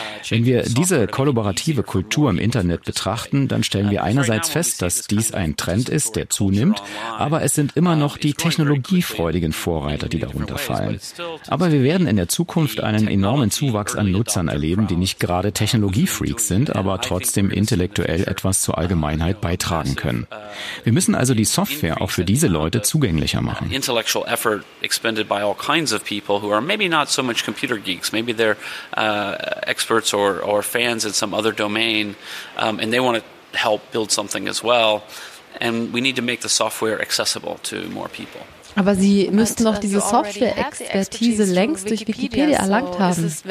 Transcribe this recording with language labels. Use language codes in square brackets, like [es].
[de] Wenn wir diese kollaborative Kultur im Internet betrachten, dann stellen wir einerseits fest, dass dies ein Trend ist, der zunimmt, aber es sind immer noch die technologiefreudigen Vorreiter, die darunter fallen. Aber wir werden in der Zukunft einen enormen Zuwachs an Nutzern erleben, die nicht gerade Technologiefreaks sind, aber trotzdem intellektuell etwas zur Allgemeinheit beitragen können. Wir müssen also die Software auch für diese Leute zugänglicher machen. [en] Intellectual effort expended by all kinds of people who are maybe not so much computer geeks, maybe they're experts or fans in some other domain, and they want to help build something as well, and we need to make the software accessible to more people. [de] Aber Sie müssten doch diese Software-Expertise längst durch Wikipedia erlangt haben.